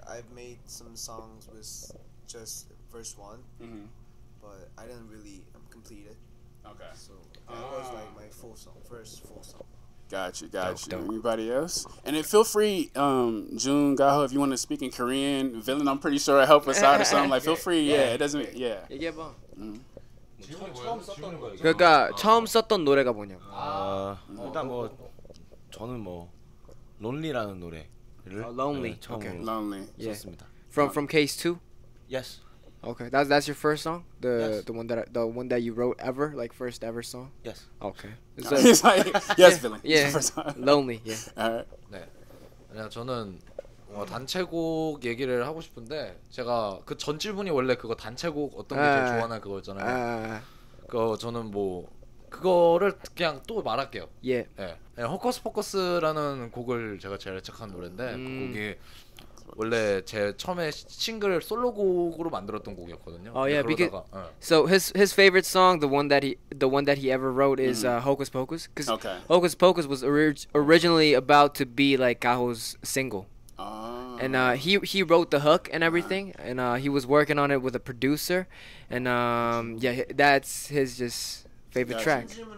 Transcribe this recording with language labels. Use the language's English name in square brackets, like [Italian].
[English] Like, I've made some songs with just verse one, but I didn't really complete it. Okay. So that was like my full song, first full song. Gotcha, gotcha. Dope, dope. Everybody else? And then feel free, Jun, Gaho, if you want to speak in Korean, villain, I'm pretty sure it'll help us out or something. Like, feel free, yeah, it doesn't, yeah. Yeah, mm-hmm. [Korean] 질문이 그러니까 처음 썼던 노래가 뭐냐? 일단 뭐 저는 뭐 Lonely라는 노래를 [English] Lonely [Korean] 처음으로 [English] okay. Lonely [Korean] 썼습니다. [English] From Case 2? Yes. Okay, that's your first song? The one that you wrote ever, like first ever song? Yes. Okay. He's like, yes, yeah. Villain. Yeah. First time. Lonely. Yeah. Alright. [Korean] 네. 저는 단체곡 얘기를 하고 싶은데 제가 그 전 질문이 원래 그거 단체곡 어떤 게 제일 좋아하나 그거였잖아요. 그 저는 뭐 그거를 그냥 또 말할게요. 예. 예. 호커스 포커스라는 곡을 제가 제일 애착한 노래인데 그 곡이 원래 제 처음에 싱글 솔로곡으로 만들었던 곡이었거든요. 어, yeah, 그러다가, because, 예. [English] So his favorite song, the one that he ever wrote is Hocus Pocus. Cause okay. Hocus Pocus was originally about to be like Gaho's single. Oh. And he wrote the hook and everything, right. And he was working on it with a producer, and yeah, that's his just favorite track.